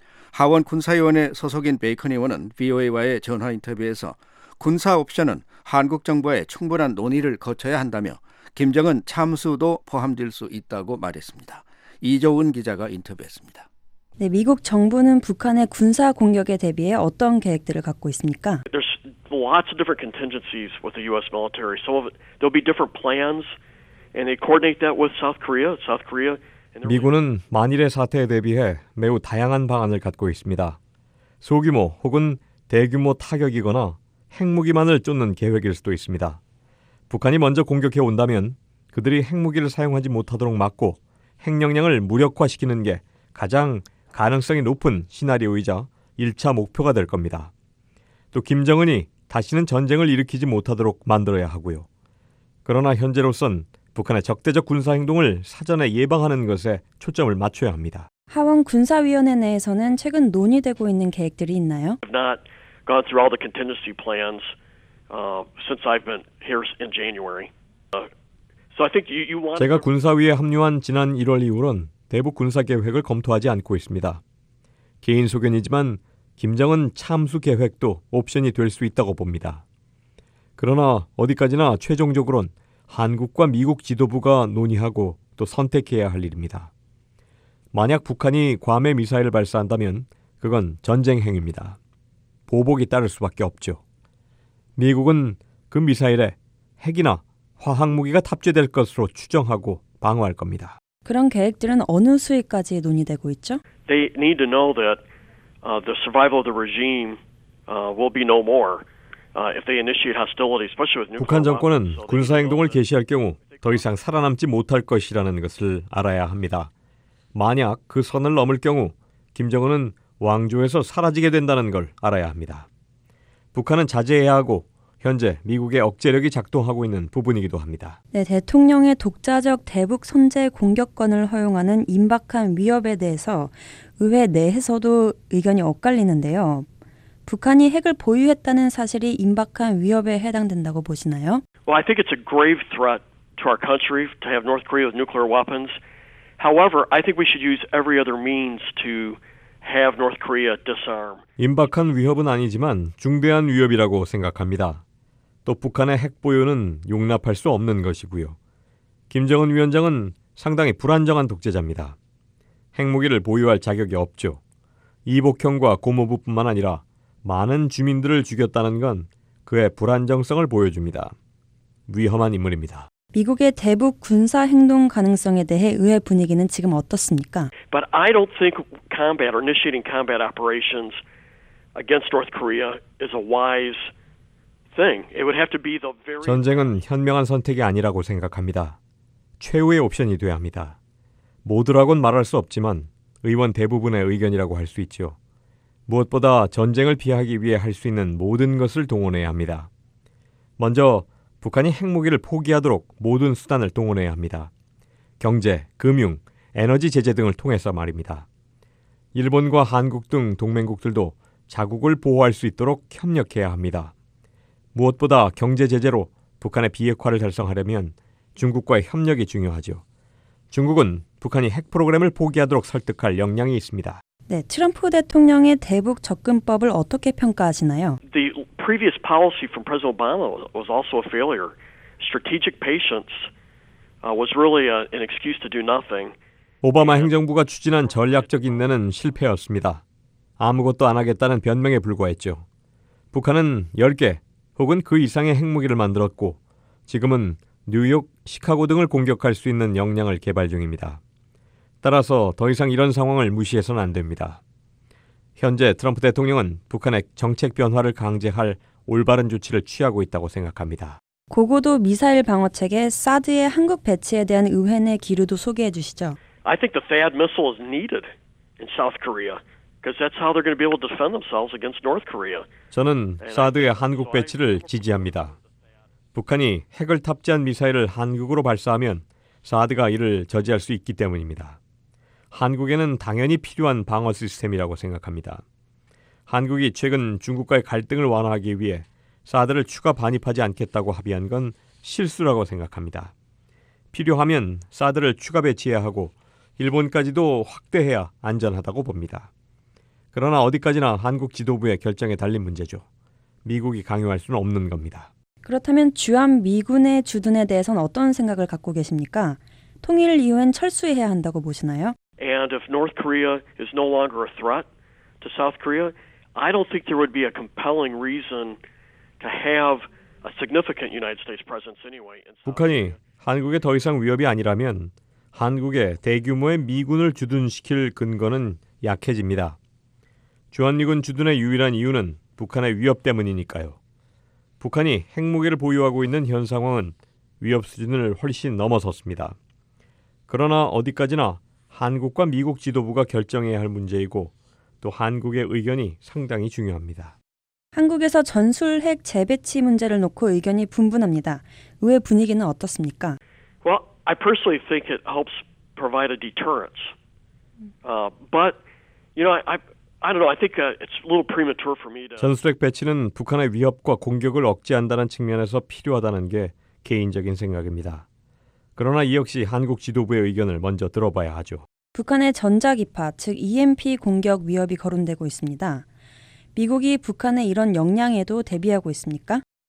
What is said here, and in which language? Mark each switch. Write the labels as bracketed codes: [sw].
[ko] 하원 군사위원회 소속인 베이컨 의원은 VOA와의 전화 인터뷰에서 군사 옵션은 한국 정부와의 충분한 논의를 거쳐야 한다며 김정은 참수도 포함될 수 있다고 말했습니다. 이조은 기자가 인터뷰했습니다. 네, 미국 정부는 북한의 군사 공격에 대비해 어떤 계획들을 갖고 있습니까? [en] There's lots of different contingencies with the U.S. military. So there'll be different plans, and they coordinate that with South Korea. South Korea. [ko] 미군은 만일의 사태에 대비해 매우 다양한 방안을 갖고 있습니다. 소규모 혹은 대규모 타격이거나 핵무기만을 쫓는 계획일 수도 있습니다. 북한이 먼저 공격해 온다면 그들이 핵무기를 사용하지 못하도록 막고 핵 역량을 무력화시키는 게 가장 가능성이 높은 시나리오이자 1차 목표가 될 겁니다. 또 김정은이 다시는 전쟁을 일으키지 못하도록 만들어야 하고요. 그러나 현재로선 북한의 적대적 군사행동을 사전에 예방하는 것에 초점을 맞춰야 합니다. 하원 군사위원회 내에서는 최근 논의되고 있는 계획들이 있나요? [en] I've not gone through all the contingency plans since I've been here in January. So I think you want [ko] 제가 군사위에 합류한 지난 1월 이후로는 대북 군사 계획을 검토하지 않고 있습니다. 개인 소견이지만 김정은 참수 계획도 옵션이 될 수 있다고 봅니다. 그러나 어디까지나 최종적으로는 한국과 미국 지도부가 논의하고 또 선택해야 할 일입니다. 만약 북한이 괌에 미사일을 발사한다면 그건 전쟁 행위입니다. 보복이 따를 수밖에 없죠. 미국은 그 미사일에 핵이나 화학무기가 탑재될 것으로 추정하고 방어할 겁니다. 그런 계획들은 어느 수위까지 논의되고 있죠? [en] They need to know that the survival of the regime will be no more if they initiate hostilities, especially with nuclear. [ko] 북한 정권은 군사 행동을 개시할 경우 더 이상 살아남지 못할 것이라는 것을 알아야 합니다. 만약 그 선을 넘을 경우 김정은은 왕조에서 사라지게 된다는 걸 알아야 합니다. 북한은 자제해야 하고 현재 미국의 억제력이 작동하고 있는 부분이기도 합니다. 네, 대통령의 독자적 대북 선제 공격권을 허용하는 임박한 위협에 대해서 의회 내에서도 의견이 엇갈리는데요. 북한이 핵을 보유했다는 사실이 임박한 위협에 해당된다고 보시나요? [en] Well, I think it's a grave threat to our country to have North Korea with nuclear weapons. However, I think we should use every other means to have North Korea disarm. [ko] 임박한 위협은 아니지만 중대한 위협이라고 생각합니다. 또 북한의 핵 보유는 용납할 수 없는 것이고요. 김정은 위원장은 상당히 불안정한 독재자입니다. 핵무기를 보유할 자격이 없죠. 이복형과 고모부뿐만 아니라 많은 주민들을 죽였다는 건 그의 불안정성을 보여줍니다. 위험한 인물입니다. 미국의 대북 군사 행동 가능성에 대해 의회 분위기는 지금 어떻습니까? [en] But I don't think combat or initiating combat operations against North Korea is a wise thing. It would have to be the very [ko] 전쟁은 현명한 선택이 아니라고 생각합니다. 최후의 옵션이 돼야 합니다. 모두라고는 말할 수 없지만 의원 대부분의 의견이라고 할 수 있죠. 무엇보다 전쟁을 피하기 위해 할 수 있는 모든 것을 동원해야 합니다. 먼저 북한이 핵무기를 포기하도록 모든 수단을 동원해야 합니다. 경제, 금융, 에너지 제재 등을 통해서 말입니다. 일본과 한국 등 동맹국들도 자국을 보호할 수 있도록 협력해야 합니다. 무엇보다 경제 제재로 북한의 비핵화를 달성하려면 중국과의 협력이 중요하죠. 중국은 북한이 핵 프로그램을 포기하도록 설득할 역량이 있습니다. 네, 트럼프 대통령의 대북 접근법을 어떻게 평가하시나요? [en] The previous policy from President Obama was also a failure. Strategic patience was really an excuse to do nothing. [ko] 오바마 행정부가 추진한 전략적 인내는 실패였습니다. 아무것도 안 하겠다는 변명에 불과했죠. 북한은 10개 혹은 그 이상의 핵무기를 만들었고 지금은 뉴욕, 시카고 등을 공격할 수 있는 역량을 개발 중입니다. 따라서 더 이상 이런 상황을 무시해서는 안 됩니다. 현재 트럼프 대통령은 북한의 정책 변화를 강제할 올바른 조치를 취하고 있다고 생각합니다. 고고도 미사일 방어체계 사드의 한국 배치에 대한 의회 내 기류도 소개해 주시죠. [en] I think the THAAD missile is needed in South Korea because that's how they're going to be able to defend themselves against North Korea. [ko] 저는 사드의 한국 배치를 지지합니다. 북한이 핵을 탑재한 미사일을 한국으로 발사하면 사드가 이를 저지할 수 있기 때문입니다. 한국에는 당연히 필요한 방어 시스템이라고 생각합니다. 한국이 최근 중국과의 갈등을 완화하기 위해 사드를 추가 반입하지 않겠다고 합의한 건 실수라고 생각합니다. 필요하면 사드를 추가 배치해야 하고 일본까지도 확대해야 안전하다고 봅니다. 그러나 어디까지나 한국 지도부의 결정에 달린 문제죠. 미국이 강요할 수는 없는 겁니다. 그렇다면 주한 미군의 주둔에 대해서는 어떤 생각을 갖고 계십니까? 통일 이후엔 철수해야 한다고 보시나요? [en] And if North Korea is no longer a threat to South Korea, I don't think there would be a compelling reason to have a significant United States presence anyway. [ko] 북한이 한국에 더 이상 위협이 아니라면 한국에 대규모의 미군을 주둔시킬 근거는 약해집니다. 주한미군 주둔의 유일한 이유는 북한의 위협 때문이니까요. 북한이 핵무기를 보유하고 있는 현 상황은 위협 수준을 훨씬 넘어섰습니다. 그러나 어디까지나 한국과 미국 지도부가 결정해야 할 문제이고 또 한국의 의견이 상당히 중요합니다. 한국에서 전술 핵 재배치 문제를 놓고 의견이 분분합니다. 의회 분위기는 어떻습니까? [en] Well, I personally think it helps provide a deterrence. But you know, I don't know. I think it's a little premature for me to [ko] 전술 핵 배치는 북한의 위협과 공격을 억제한다는 측면에서 필요하다는 게 개인적인 생각입니다. 그러나 이 역시 한국 지도부의 의견을 먼저 들어봐야 하죠. 북한의 전자기파, 즉 EMP 공격 위협이 거론되고 있습니다. 미국이 북한의 이런 역량에도 대비하고 있습니까?